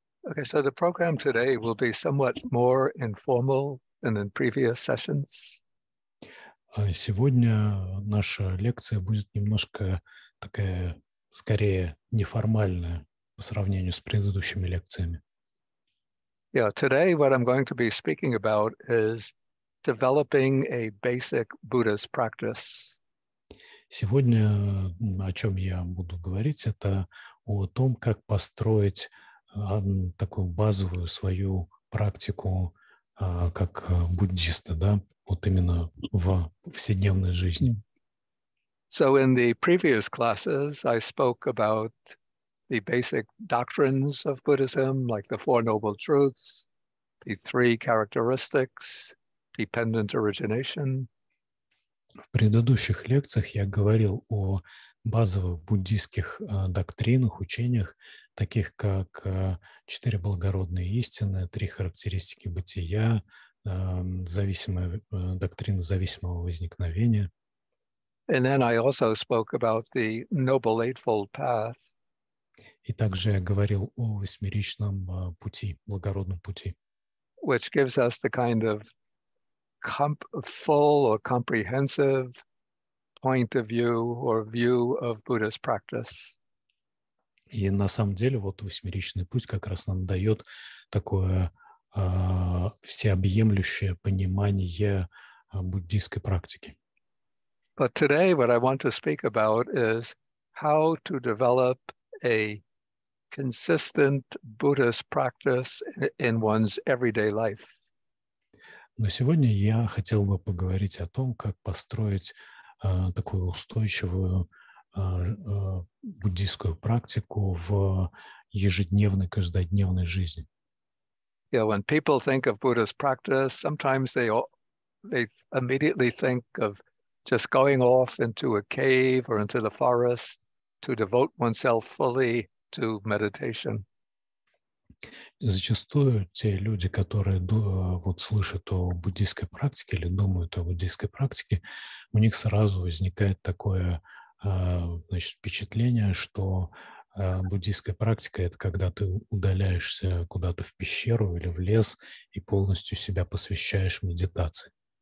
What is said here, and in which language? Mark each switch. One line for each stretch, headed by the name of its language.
English: Okay, so the program today will be somewhat more informal than in previous sessions.
Russian: Сегодня наша лекция будет немножко такая, скорее, неформальная по сравнению с предыдущими лекциями.
English: Yeah, today what I'm going to be speaking about is developing a basic Buddhist practice.
Russian: Сегодня, о чем я буду говорить, это о том, как построить такую базовую свою практику как буддиста, да, вот именно в повседневной жизни.
English: So in the previous classes I spoke about the basic doctrines of Buddhism, like the Four Noble Truths, the Three Characteristics, Dependent Origination.
Russian: В предыдущих лекциях я говорил о базовых буддийских доктринах, учениях, таких как четыре благородные истины, три характеристики бытия, зависимая доктрина зависимого возникновения.
English: And then I also spoke about the Noble Eightfold Path.
Russian: И также я говорил о восьмеричном пути, благородном пути.
English: Which gives us the kind of full or comprehensive point of view or view of Buddhist practice.
Russian: И на самом деле вот восьмеричный путь как раз нам дает такое всеобъемлющее понимание буддийской практики.
English: But today what I want to speak about is how to develop a consistent Buddhist practice in one's everyday life.
Russian: Но сегодня я хотел бы поговорить о том, как построить такую устойчивую буддийскую практику в ежедневной, каждодневной жизни.
English: Yeah, when people think of Buddhist practice, sometimes they immediately think of just going off into a cave or into the forest to devote oneself fully to meditation.
Russian: Зачастую те люди, которые вот слышат о буддийской практике или думают о буддийской практике, у них сразу возникает такое, значит, впечатление, что буддийская практика — это когда ты удаляешься куда-то в пещеру или в лес и полностью себя посвящаешь медитации.